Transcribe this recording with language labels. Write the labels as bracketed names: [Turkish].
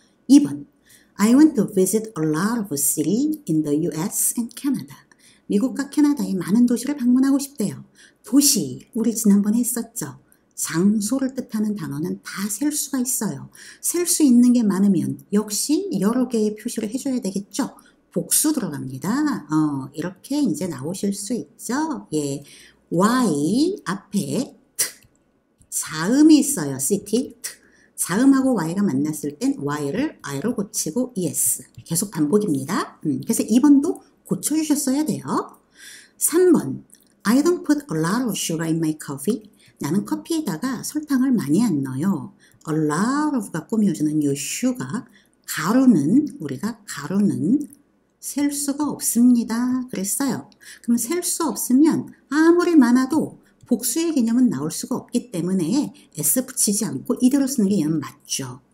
[English] 2번, I want to visit a lot of cities in the US and Canada. [Korean] 미국과 캐나다의 많은 도시를 방문하고 싶대요. 도시, 우리 지난번에 했었죠. 장소를 뜻하는 단어는 다셀 수가 있어요. 셀수 있는 게 많으면 역시 여러 개의 표시를 해줘야 되겠죠? 복수 들어갑니다. 이렇게 이제 나오실 수 있죠? 예. Y 앞에 자음이 있어요. City. 자음하고 Y가 만났을 땐 Y를 I로 고치고 ES. 계속 반복입니다. 그래서 2번도 고쳐주셨어야 돼요. 3번. [English] I don't put a lot of sugar in my coffee. [Korean] 나는 커피에다가 설탕을 많이 안 넣어요. A lot of가 꾸며주는 요 sugar. 가루는 셀 수가 없습니다. 그랬어요. 그럼 셀수 없으면 아무리 많아도 복수의 개념은 나올 수가 없기 때문에 S 붙이지 않고 이대로 쓰는 게 얘는 맞죠.